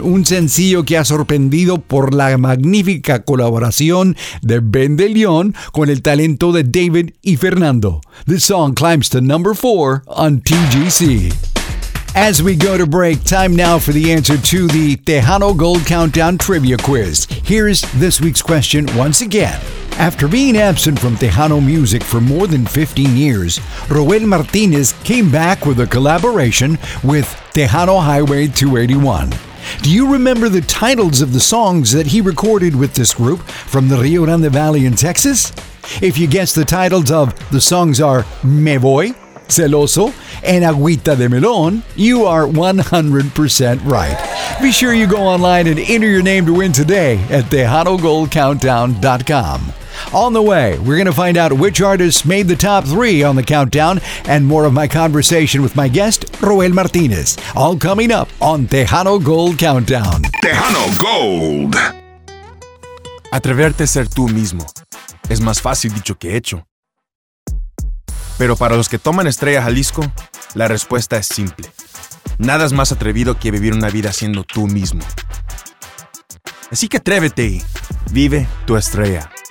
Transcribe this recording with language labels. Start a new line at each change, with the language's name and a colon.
Spanish: Un sencillo que ha sorprendido por la magnífica colaboración de Ben de León con el talento de David y Fernando.
English: The song climbs to number 4 on TGC. As we go to break, time now for the answer to the Tejano Gold Countdown trivia quiz. Here's this week's question once again. After being absent from Tejano music for more than 15 years, Roel Martinez came back with a collaboration with Tejano Highway 281. Do you remember the titles of the songs that he recorded with this group from the Rio Grande Valley in Texas? If you guess the titles of the songs are Me Voy, Celoso, and Agüita de Melón, you are 100% right. Be sure you go online and enter your name to win today at TejanoGoldCountdown.com. On the way, we're going to find out which artists made the top three on the countdown and more of my conversation with my guest, Roel Martinez, all coming up on Tejano Gold Countdown. Tejano Gold.
Spanish: Atreverte a ser tú mismo es más fácil dicho que hecho. Pero para los que toman Estrella Jalisco, la respuesta es simple. Nada es más atrevido que vivir una vida siendo tú mismo. Así que atrévete y vive tu estrella.